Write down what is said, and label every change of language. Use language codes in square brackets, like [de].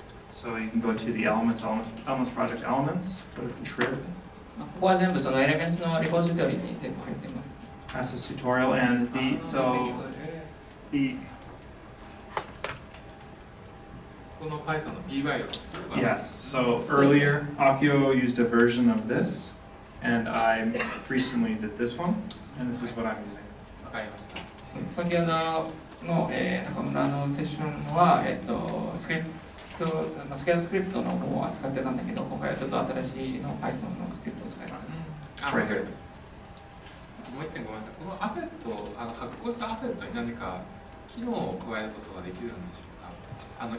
[en] So you can go to the elements project elements, go to contrib. [ja] ここは全部そのエレメンツのリポジトリに全部入っています。 [en] As a tutorial and the so the [ja] この Python の pbio [en] Yes, so earlier Akio used a version of this and I recently did this one and this is what I'm using. [ja] わかりました。先ほどの、中村のセッションはスクリプトスケールスクリプトの方を扱ってたんだけど、今回はちょっと新しいの Python のスクリプトを使います。 [en] Right here. [ja] もう一点ごめんなさい。このアセット、発行したアセットに何か機能を加えることができるんでしょうか。